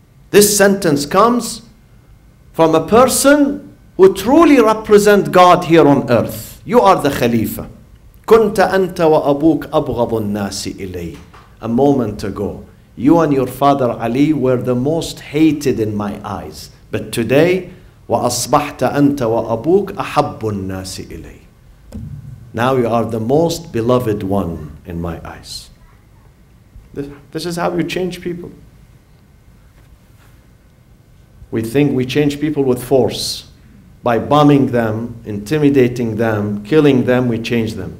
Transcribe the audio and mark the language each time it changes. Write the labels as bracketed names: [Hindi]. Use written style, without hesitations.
[English] This sentence comes from a person who truly represents God here on earth. You are the Khalifa. [Arabic] كُنْتَ أَنْتَ وَأَبُوكَ أَبْغَضُ النَّاسِ إِلَيْهِ. [English] A moment ago, you and your father Ali were the most hated in my eyes. But today, [Arabic] وَأَصْبَحْتَ أَنْتَ وَأَبُوكَ أَحَبُّ النَّاسِ إِلَيْهِ. [English] Now you are the most beloved one in my eyes. This is how you change people. We think we change people with force. By bombing them, intimidating them, killing them, we change them.